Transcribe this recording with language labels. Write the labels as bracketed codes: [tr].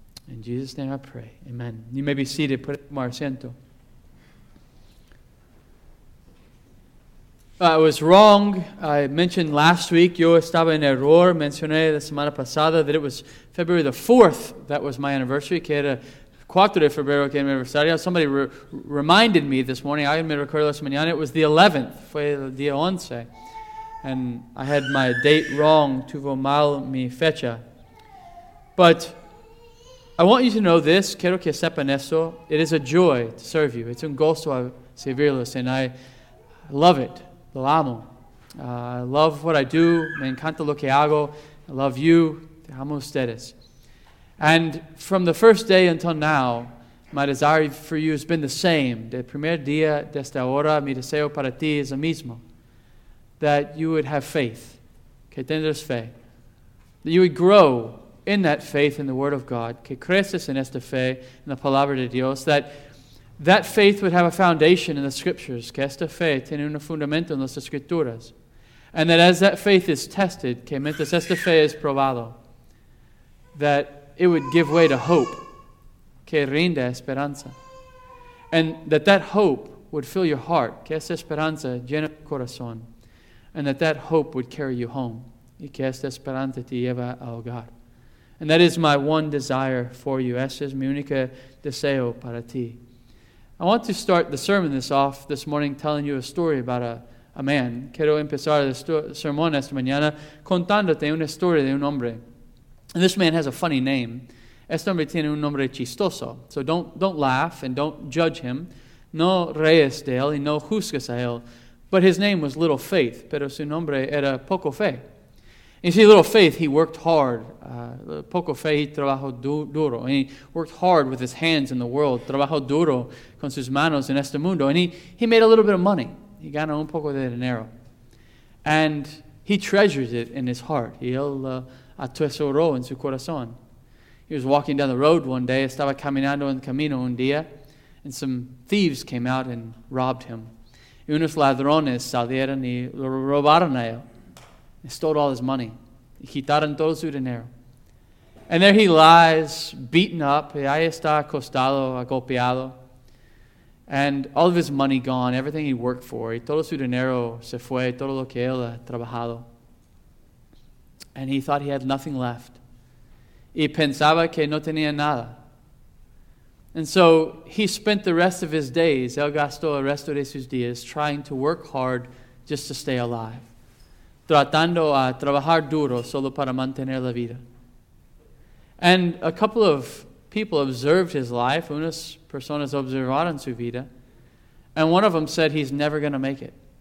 [en] In Jesus' name I pray. Amen. You may be seated. Put it in your asiento. I was wrong. I mentioned last week, [es] yo estaba en error. Mencioné la semana pasada [en] that it was February the 4th that was my anniversary. [es] Que era 4 de febrero que era mi aniversario. [en] Somebody reminded me this morning. [es] I me recuerdo esta mañana. [en] It was the 11th. [es] Fue el día 11. [en] And I had my date wrong. [es] Tuvo mal mi fecha. [en] But I want you to know this. [es] Quiero que sepan eso. [en] It is a joy to serve you. It's [es] un gusto a servirlos. [en] And I love it. [es] Lo amo. [en] I love what I do. [es] Me encanta lo que hago. [en] I love you. [es] Te amo ustedes. [en] And from the first day until now, my desire for you has been the same. [es] De primer día de esta hora, mi deseo para ti es el mismo. [en] That you would have faith. [es] Que tendrás fe. [en] That you would grow in that faith in the Word of God. [es] Que creces en esta fe en la Palabra de Dios. [en] That faith would have a foundation in the Scriptures. [es] Que esta fe tiene un fundamento en las Escrituras. [en] And that as that faith is tested, [es] que mientras esta fe es probado, [en] that it would give way to hope. [es] Que rinda esperanza. [en] And that hope would fill your heart. [es] Que esta esperanza llena tu corazón. [en] And that hope would carry you home. [es] Y que esta esperanza te lleva a hogar. [en] And that is my one desire for you. [es] Ese es mi único deseo para ti. [en] I want to start the sermon this morning telling you a story about a man. [es] Quiero empezar el sermón esta mañana contándote una historia de un hombre. [en] And this man has a funny name. [es] Este hombre tiene un nombre chistoso. [en] So don't laugh and don't judge him. [es] No reyes de él y no juzgues a él. [en] But his name was Little Faith, [es] pero su nombre era Poco Fe. [en] You see, Little Faith, he worked hard. [es] Poco Fe, he trabajó duro. [en] And he worked hard with his hands in the world. [es] Trabajó duro con sus manos en este mundo. [en] And he made a little bit of money. [es] He ganó un poco de dinero. [en] And he treasured it in his heart. [es] Y él atesoró en su corazón. [en] He was walking down the road one day. [es] Estaba caminando en el camino un día. [en] And some thieves came out and robbed him. [es] Y unos ladrones salieron y lo robaron a él. [en] He stole all his money. [es] Y quitaron todo su dinero. [en] And there he lies, beaten up. [es] Y ahí está acostado, agolpeado. [en] And all of his money gone, everything he worked for. [es] Y todo su dinero se fue, todo lo que él ha trabajado. [en] And he thought he had nothing left. [es] Y pensaba que no tenía nada. [en] And so he spent the rest of his days, [es] él gastó el resto de sus días, [en] trying to work hard just to stay alive. [es] Tratando a trabajar duro solo para mantener la vida. [en] And a couple of people observed his life, [es] unas personas observaron su vida, [en] and one of them said he's never going to make it.